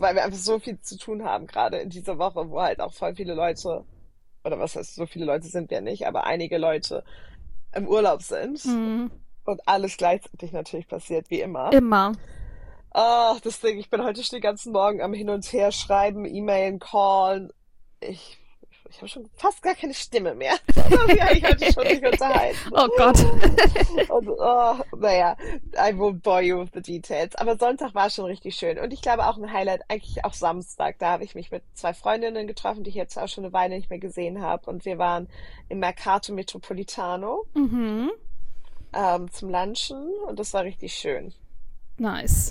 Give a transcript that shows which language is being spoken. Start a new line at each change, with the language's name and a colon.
German: weil wir einfach so viel zu tun haben, gerade in dieser Woche, wo halt auch voll viele Leute, oder was heißt, so viele Leute sind wir nicht, aber einige Leute im Urlaub sind und alles gleichzeitig natürlich passiert, wie immer. Immer. Oh, das Ding, ich bin heute schon den ganzen Morgen am Hin und Her schreiben, E-Mailen, Callen. Ich habe schon fast gar keine Stimme mehr. Wie habe ich heute schon dich unterhalten? Oh Gott.
English: Und oh, naja, I won't bore you with the details.
German: Aber Sonntag war schon richtig schön. Und ich glaube auch ein Highlight, eigentlich auch Samstag. Da habe ich mich mit zwei Freundinnen getroffen, die ich jetzt auch schon eine Weile nicht mehr gesehen habe. Und wir waren im Mercato Metropolitano zum Lunchen. Und das war richtig schön.
English: Nice.